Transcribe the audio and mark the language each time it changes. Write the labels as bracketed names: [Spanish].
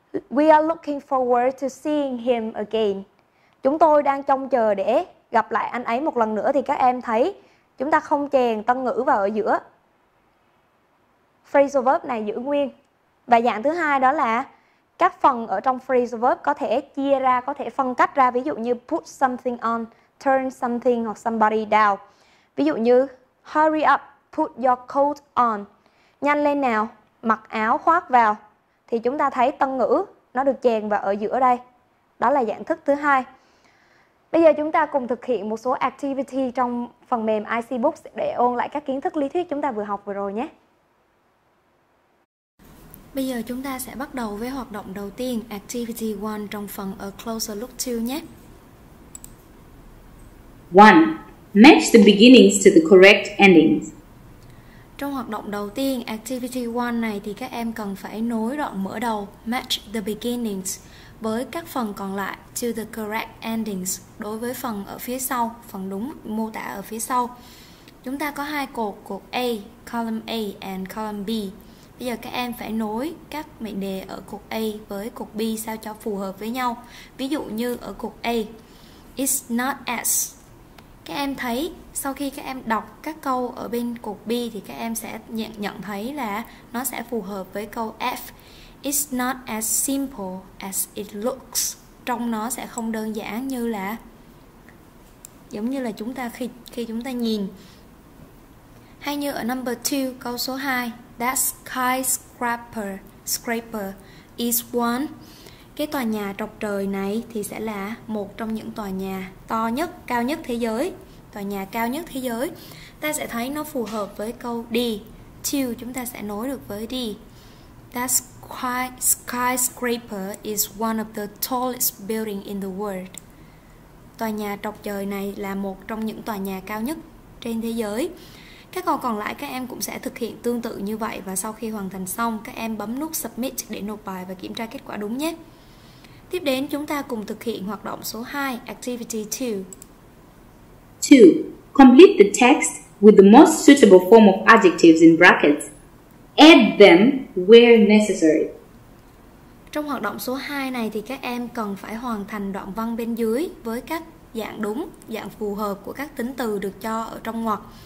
[English] We are looking forward to seeing him again. [Vietnamese] Chúng tôi đang trông chờ để gặp lại anh ấy một lần nữa. Thì các em thấy chúng ta không chèn tân ngữ vào ở giữa. Phrasal verb này giữ nguyên. Và dạng thứ hai đó là các phần ở trong phrasal verb có thể chia ra, có thể phân cách ra. Ví dụ như [English] put something on, turn something or somebody down. [Vietnamese] Ví dụ như [English] hurry up, put your coat on. [Vietnamese] Nhanh lên nào, mặc áo khoác vào. Thì chúng ta thấy tân ngữ nó được chèn vào ở giữa đây. Đó là dạng thức thứ hai. Bây giờ chúng ta cùng thực hiện một số activity trong phần mềm IC Books để ôn lại các kiến thức lý thuyết chúng ta vừa học vừa rồi nhé. Bây giờ chúng ta sẽ bắt đầu với hoạt động đầu tiên, activity 1 trong phần A Closer Look 2 nhé. [English] 1. Match the beginnings to the correct endings. [Vietnamese] Trong hoạt động đầu tiên, activity 1 này thì các em cần phải nối đoạn mở đầu [English] match the beginnings [Vietnamese] với các phần còn lại [English] to the correct endings [Vietnamese] đối với phần ở phía sau, phần đúng mô tả ở phía sau. Chúng ta có hai cột, cột A, [English] column A and column B. [Vietnamese] Bây giờ các em phải nối các mệnh đề ở cột A với cột B sao cho phù hợp với nhau. Ví dụ như ở cột A, [English] it's not as. [Vietnamese] Các em thấy sau khi các em đọc các câu ở bên cột B thì các em sẽ nhận thấy là nó sẽ phù hợp với câu F. [English] It's not as simple as it looks. [Vietnamese] Trông nó sẽ không đơn giản như là giống như là chúng ta khi chúng ta nhìn. Hay như ở number 2, câu số 2, [English] that skyscraper is one. [Vietnamese] Cái tòa nhà trọc trời này thì sẽ là một trong những tòa nhà to nhất, cao nhất thế giới. Tòa nhà cao nhất thế giới. Ta sẽ thấy nó phù hợp với câu D. [English] Two, [Vietnamese] chúng ta sẽ nối được với D. [English] That skyscraper is one of the tallest buildings in the world. [Vietnamese] Tòa nhà trọc trời này là một trong những tòa nhà cao nhất trên thế giới. Các câu còn lại các em cũng sẽ thực hiện tương tự như vậy và sau khi hoàn thành xong, các em bấm nút Submit để nộp bài và kiểm tra kết quả đúng nhé. Tiếp đến, chúng ta cùng thực hiện hoạt động số 2, Activity 2. [English] 2. Complete the text with the most suitable form of adjectives in brackets. Add them where necessary. [Vietnamese] Trong hoạt động số 2 này thì các em cần phải hoàn thành đoạn văn bên dưới với các dạng đúng, dạng phù hợp của các tính từ được cho ở trong ngoặc.